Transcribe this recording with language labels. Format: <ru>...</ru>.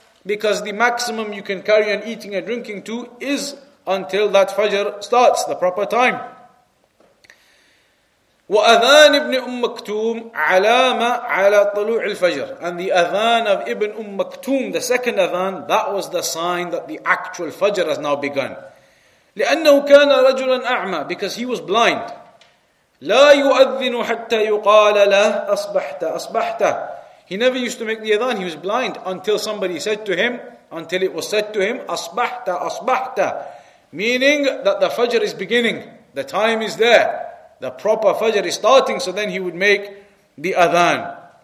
<en>Because the maximum you can carry on eating and drinking to is until that Fajr starts, the proper time.</en> <ar>وَأَذَانِ ابْنِ مَكْتُومٍ عَلَامَةٌ عَلَى طُلُوعِ الْفَجْرِ.</ar> <en>And the adhan of Ibn Maktum, the second adhan, that was the sign that the actual Fajr has now begun.</en> <ar>لِأَنَّهُ كَانَ رَجُلًا أَعْمَى.</ar> <en>Because he was blind.</en> <ar>لا يؤذن حتى يقال له أصبحت أصبحت.</ar> <en>He never used to make the adhan. He was blind until somebody said to him, until it was said to him,</en> <ar>أصبحت أصبحت,</ar> <en>meaning that the Fajr is beginning. The time is there. The proper Fajr is starting. So then he would make the adhan.</en>